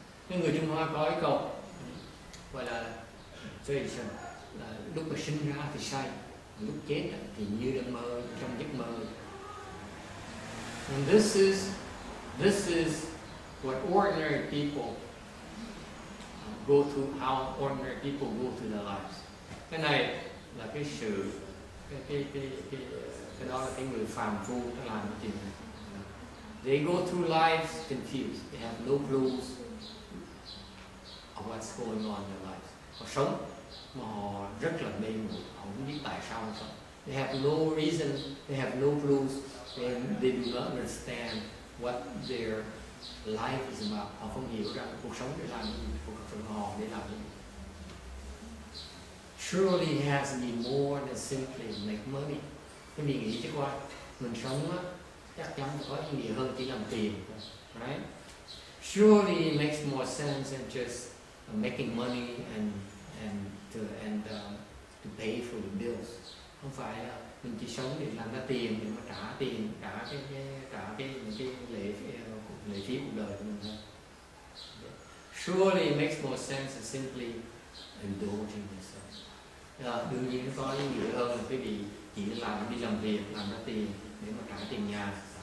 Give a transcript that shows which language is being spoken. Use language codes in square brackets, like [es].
[vi] Người Trung Hoa có cái câu gọi là chơi xem là lúc mà sinh ra thì say, lúc chết thì như đang mơ, trong giấc mơ. [en] And this is what ordinary people go through, how ordinary people go through their lives. [vi] Cái này là cái sự cái đó là cái người phàm phu làm cái chuyện này. [en] They go through lives confused. They have no clues of what's going on in their lives. [vi] Họ sống mà họ rất là mê muội, họ không biết tại sao sống. [en] They have no reason. They have no clues. And they do not understand what their life is about. [vi] Họ không hiểu rằng cuộc sống để làm gì, cuộc sống họ để làm gì. [en] Surely it has to be more than simply make money. [vi] Cái mình nghĩ chứ qua, mình sống á, chắc chắn có ý nghĩa hơn chỉ làm tiền, right? [en] Surely it makes more sense than just making money and to pay for the bills. [vi] Không phải là mình chỉ sống để làm ra tiền để mà trả tiền, trả cái lệ phí cuộc đời của mình thôi. [en] Surely it makes more sense than simply indulging yourself. [vi] Đương nhiên nó có ý nghĩa hơn là cái gì chỉ làm đi làm việc, làm ra tiền để mà trả tiền nhà.